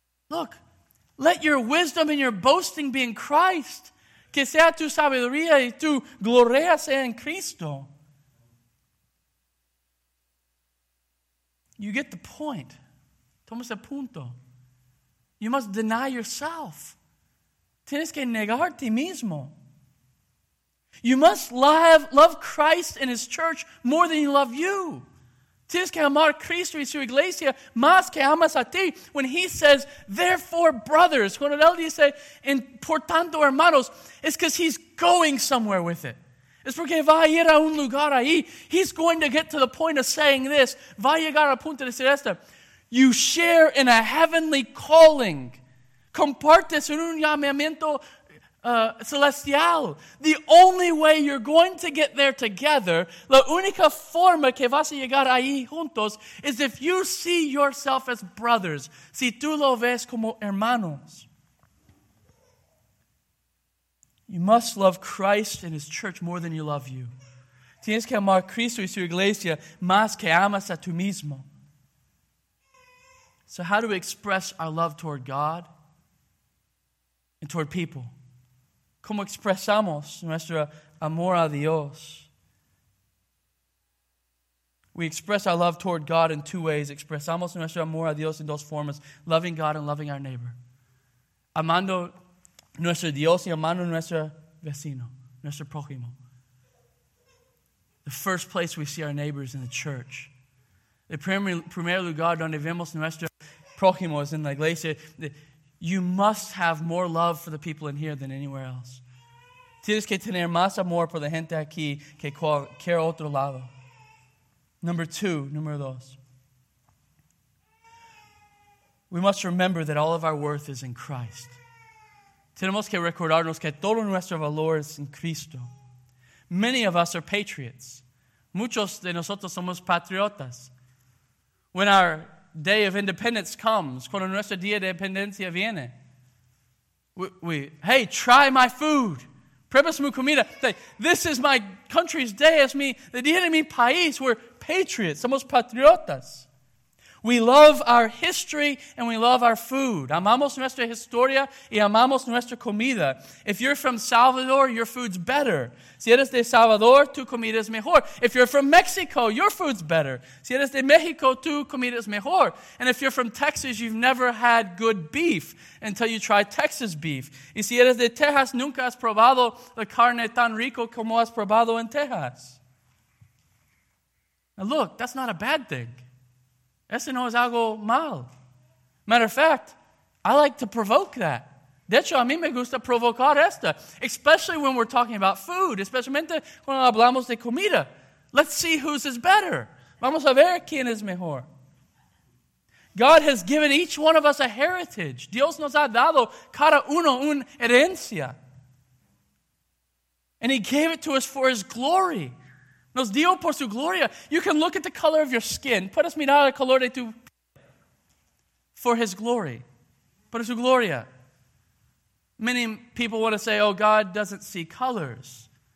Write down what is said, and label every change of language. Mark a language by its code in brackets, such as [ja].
[en] Look, let your wisdom and your boasting be in Christ. [es] Que sea tu sabiduría y tu gloria sea en Cristo. [en] You get the point. [es] Tomas el punto. [en] You must deny yourself. [es] Tienes que negar ti mismo. [en] You must love Christ and His church more than you love you. [es] Tienes que amar a Cristo y su iglesia más que amas a ti. [en] When He says, therefore, brothers, [es] cuando Él dice, por tanto, hermanos, [en] it's because He's going somewhere with it. [es] Es porque va a ir a un lugar ahí. [en] He's going to get to the point of saying this. [es] Va a llegar a punto de decir esto. [en] You share in a heavenly calling. [es] Compartes en un llamamiento celestial. [en] The only way you're going to get there together, [es] la única forma que vas a llegar ahí juntos, [en] is if you see yourself as brothers. [es] Si tú lo ves como hermanos. [en] You must love Christ and His church more than you love you. [es] Tienes que amar a Cristo y su iglesia más que amas a tú mismo. [en] So how do we express our love toward God and toward people? [es] ¿Cómo expresamos nuestro amor a Dios? [en] We express our love toward God in two ways. [es] Expresamos nuestro amor a Dios en dos formas. [en] Loving God and loving our neighbor. [es] Amando nuestro Dios y amando nuestro vecino, nuestro prójimo. [en] The first place we see our neighbors in the church. [es] El primer lugar donde vemos nuestro prójimo es en la iglesia. [en] You must have more love for the people in here than anywhere else. [es] Tienes que tener más amor por la gente aquí que cualquier otro lado. Número dos. [en] We must remember that all of our worth is in Christ. [es] Tenemos que recordarnos que todo nuestro valor es en Cristo. [en] Many of us are patriots. [es] Muchos de nosotros somos patriotas. [en] When our day of independence comes, [es] cuando nuestro día de independencia viene. [en] Hey, try my food. [es] Prueba mi comida. [en] This is my country's day. [es] Es mi, the día de mi país. [en] We're patriots. [es] Somos patriotas. [en] We love our history and we love our food. [es] Amamos nuestra historia y amamos nuestra comida. [en] If you're from Salvador, your food's better. [es] Si eres de Salvador, tu comida es mejor. [en] If you're from Mexico, your food's better. [es] Si eres de Mexico, tu comida es mejor. [en] And if you're from Texas, you've never had good beef until you try Texas beef. [es] Y si eres de Texas, nunca has probado la carne tan rico como has probado en Texas. [en] Now look, that's not a bad thing. [es] Eso no es algo mal. [en] Matter of fact, I like to provoke that. [es] De hecho, a mí me gusta provocar esto. [en] Especially when we're talking about food. [es] Especialmente cuando hablamos de comida. [en] Let's see whose is better. [es] Vamos a ver quién es mejor. [en] God has given each one of us a heritage. [es] Dios nos ha dado cada uno una herencia. [en] And he gave it to us for his glory. [es] Nos dio por su gloria. [en] You can look at the color of your skin. [es] Puedes mirar el color de tu [en] for his glory. [es] Por su gloria. [en] Many people want to say, oh, God doesn't see colors.